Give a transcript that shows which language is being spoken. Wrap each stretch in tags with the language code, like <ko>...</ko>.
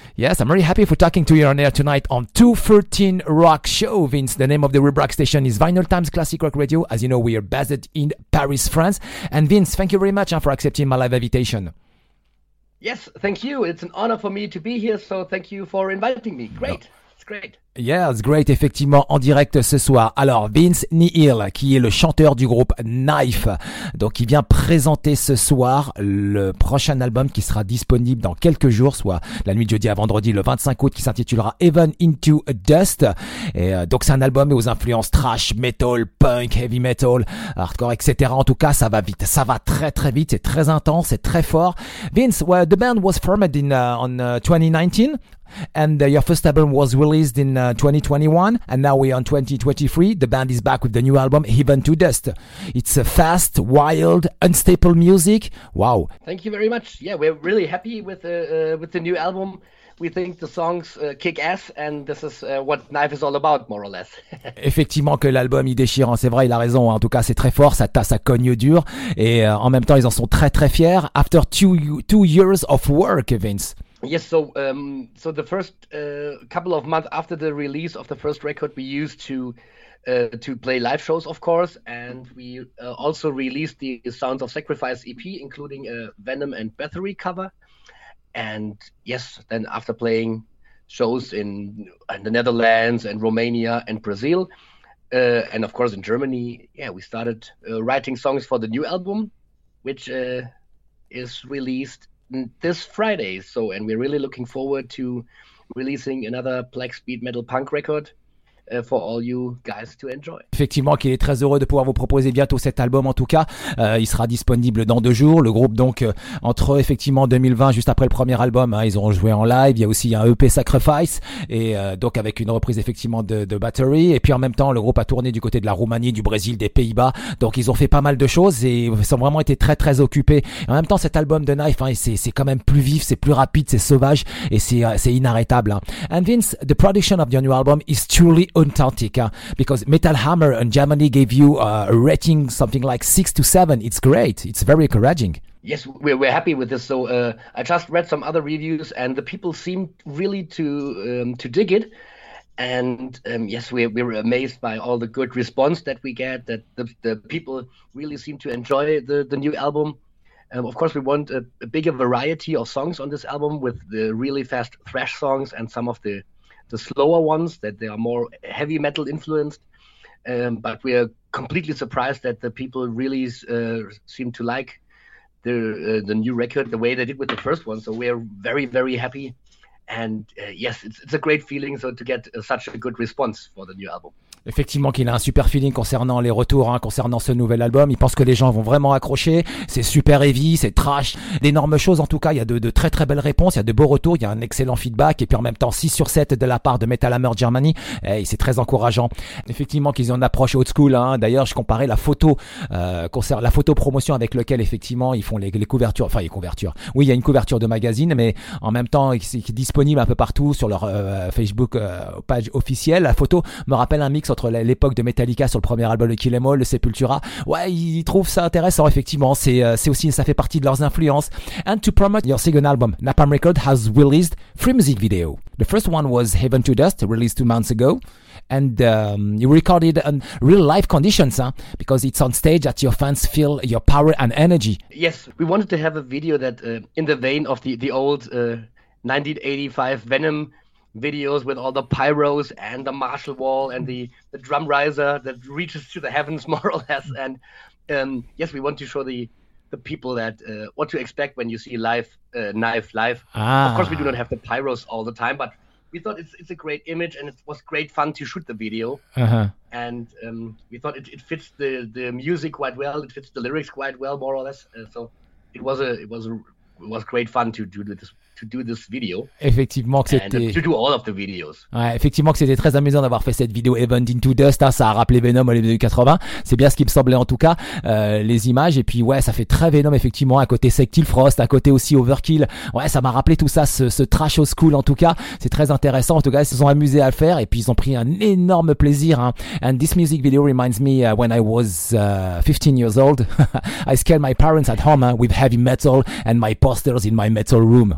<en>Yes, I'm really happy for talking to you on air tonight on 213 Rock Show, Vince. The name of the Rebrack station is Vinyl Times Classic Rock Radio. As you know, we are based in Paris, France. And Vince, thank you very much for accepting my live invitation. Yes, thank you. It's an honor for me to be here, so thank you for inviting me. Great. It's great. Yeah, it's great,</en> <fr>effectivement, en direct ce soir. Alors, Vince Neil, qui est le chanteur du groupe Knife, donc il vient présenter ce soir le prochain album qui sera disponible dans quelques jours, soit la nuit de jeudi à vendredi, le 25 août, qui s'intitulera Even Into Dust. Et donc, c'est un album aux influences trash, metal, punk, heavy metal, hardcore, etc. En tout cas, ça va vite. Ça va très, très vite. C'est très intense, c'est très fort. Vince,</fr> <en>well, the band was formed in 2019. And your first album was released in 2021, and now we're on 2023. The band is back with the new album, Heaven to Dust. It's a fast, wild, unstable music. Wow. Thank you very much. Yeah, we're really happy with the new album. We think the songs kick ass, and this is what Knife is all about, more or less.</en> <fr>Effectivement que l'album il déchire, hein, c'est vrai, il a raison. Hein. En tout cas, c'est très fort, ça cogne dur. Et en même temps, ils en sont très, très fiers.</fr> <en>After two years of work, Vince. Yes, so so the first couple of months after the release of the first record, we used to play live shows, of course, and we also released the Sounds of Sacrifice EP, including a Venom and Bathory cover. And yes, then after playing shows in the Netherlands and Romania and Brazil, and of course in Germany, yeah, we started writing songs for the new album, which is released this Friday, so, and we're really looking forward to releasing another black speed metal punk record for all you guys to enjoy.</en> <fr>Effectivement, qu'il est très heureux de pouvoir vous proposer bientôt cet album. En tout cas, il sera disponible dans deux jours. Le groupe, donc, entre effectivement 2020, juste après le premier album, hein, ils ont joué en live. Il y a aussi un EP Sacrifice, et donc avec une reprise effectivement de Battery. Et puis en même temps, le groupe a tourné du côté de la Roumanie, du Brésil, des Pays-Bas. Donc ils ont fait pas mal de choses et ils ont vraiment été très très occupés. Et en même temps, cet album de Knife, hein, c'est quand même plus vif, c'est plus rapide, c'est sauvage et c'est inarrêtable.</fr> <en>Hein. And Vince, the production of your new album is truly authentic, huh? Because Metal Hammer and Germany gave you a rating something like 6 to 7. It's great. It's very encouraging. Yes, we're happy with this. So I just read some other reviews, and the people seem really to dig it. And yes, we're amazed by all the good response that we get. That the people really seem to enjoy the new album. Of course, we want a bigger variety of songs on this album, with the really fast thrash songs and some of the slower ones, that they are more heavy metal influenced. But we are completely surprised that the people really seem to like the new record the way they did with the first one. So we are very, very happy. And yes, it's a great feeling so to get such a good response for the new album.</en> <fr>Effectivement qu'il a un super feeling concernant les retours, hein, concernant ce nouvel album. Il pense que les gens vont vraiment accrocher. C'est super heavy, c'est trash. D'énormes choses en tout cas. Il y a de très très belles réponses. Il y a de beaux retours. Il y a un excellent feedback. Et puis en même temps, 6 sur 7 de la part de Metal Hammer Germany. Et c'est très encourageant. Effectivement qu'ils ont une approche old school, hein. D'ailleurs, je comparais la photo promotion avec laquelle effectivement ils font les couvertures. Enfin, les couvertures. Oui, il y a une couverture de magazine, mais en même temps, qui est disponible un peu partout sur leur Facebook page officielle. La photo me rappelle un mix entre l'époque de Metallica sur le premier album de Kill 'Em All, le Sepultura. Ouais, ils trouvent ça intéressant, effectivement. C'est aussi, ça fait partie de leurs influences.</fr> <en>And to promote your second album, Napalm Records has released 3 music videos. The first one was Heaven to Dust, released 2 months ago. And you recorded in real life conditions, huh? Because it's on stage that your fans feel your power and energy. Yes, we wanted to have a video that, in the vein of the old 1985 Venom videos with all the pyros and the martial wall and the drum riser that reaches to the heavens more or less. And yes, we want to show the people that what to expect when you see live knife live. Of course, we do not have the pyros all the time, but we thought it's a great image and it was great fun to shoot the video. And we thought it fits the music quite well. It fits the lyrics quite well, more or less. So it was great fun to do this video.</en> <fr>Effectivement que c'était.</fr> <en>And to do all of the videos.</en> <fr>Ouais, effectivement que c'était très amusant d'avoir fait cette vidéo Heaven into Dust. Hein, ça a rappelé Venom au début des 80. C'est bien ce qui me semblait en tout cas, les images. Et puis ouais, ça fait très Venom effectivement. À côté Sectile Frost, à côté aussi Overkill. Ouais, ça m'a rappelé tout ça, ce trash old school en tout cas. C'est très intéressant. En tout cas, ils se sont amusés à le faire et puis ils ont pris un énorme plaisir. Hein.</fr> <en>And this music video reminds me when I was 15 years old. I scared my parents at home, hein, with heavy metal and my posters in my metal room.</en>